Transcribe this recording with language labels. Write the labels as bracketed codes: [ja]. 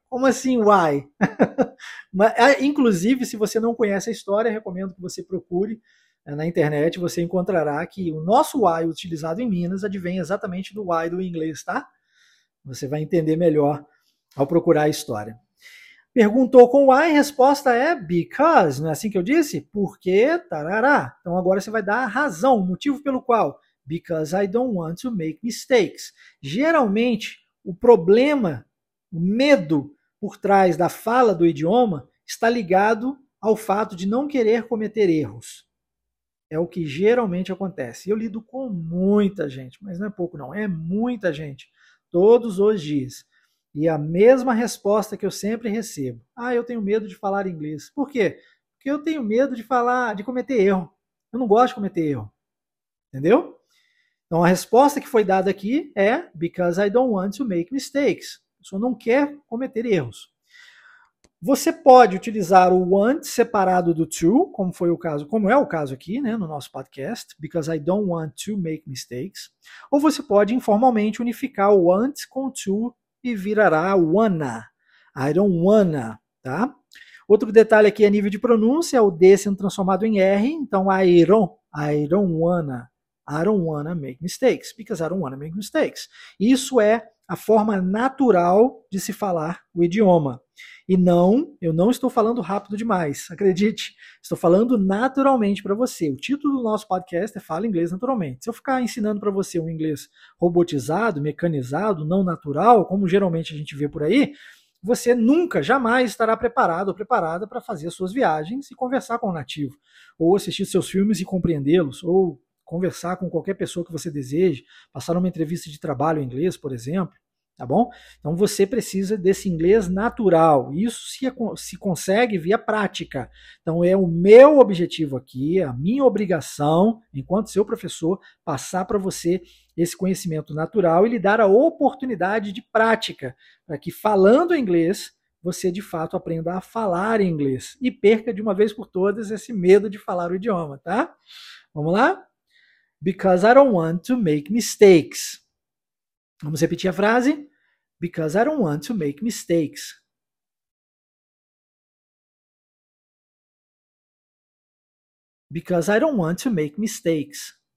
[pt] Como assim why? Inclusive, se você não conhece a história, recomendo que você procure na internet, você encontrará que o nosso why utilizado em Minas advém exatamente do why do inglês, tá? Você vai entender melhor ao procurar a história. Perguntou com why, resposta é because, não é assim que eu disse? Porque, tarará. Então agora você vai dar a razão, o motivo pelo qual. [en] Because I don't want to make mistakes. [pt] Geralmente, o problema, o medo por trás da fala do idioma está ligado ao fato de não querer cometer erros. É o que geralmente acontece. Eu lido com muita gente, mas não é pouco não, é muita gente, todos os dias. E a mesma resposta que eu sempre recebo. Ah, eu tenho medo de falar inglês. Por quê? Porque eu tenho medo de falar, de cometer erro. Eu não gosto de cometer erro. Entendeu? Então a resposta que foi dada aqui é [en] because I don't want to make mistakes. [pt] Eu não quero cometer erros. Você pode utilizar o want separado do to, como foi o caso, como é o caso aqui, né, no nosso podcast, [en] because I don't want to make mistakes. [pt] Ou você pode informalmente unificar o want com o to e virará wanna. [en] I don't wanna, [pt] tá? Outro detalhe aqui a nível de pronúncia é o D sendo transformado em R, então I don't wanna. [en] I don't wanna make mistakes, because I don't wanna make mistakes. [pt] Isso é a forma natural de se falar o idioma. E não, eu não estou falando rápido demais, acredite. Estou falando naturalmente para você. O título do nosso podcast é Fala Inglês Naturalmente. Se eu ficar ensinando para você um inglês robotizado, mecanizado, não natural, como geralmente a gente vê por aí, você nunca, jamais estará preparado ou preparada para fazer as suas viagens e conversar com o nativo. Ou assistir seus filmes e compreendê-los. Ou conversar com qualquer pessoa que você deseje, passar uma entrevista de trabalho em inglês, por exemplo, tá bom? Então você precisa desse inglês natural, isso se consegue via prática. Então é o meu objetivo aqui, a minha obrigação, enquanto seu professor, passar para você esse conhecimento natural e lhe dar a oportunidade de prática, para que falando inglês, você de fato aprenda a falar inglês e perca de uma vez por todas esse medo de falar o idioma, tá? Vamos lá? [en] Because I don't want to make mistakes. [pt] Vamos repetir a frase? [en] Because I don't want to make mistakes. Because I don't want to make mistakes.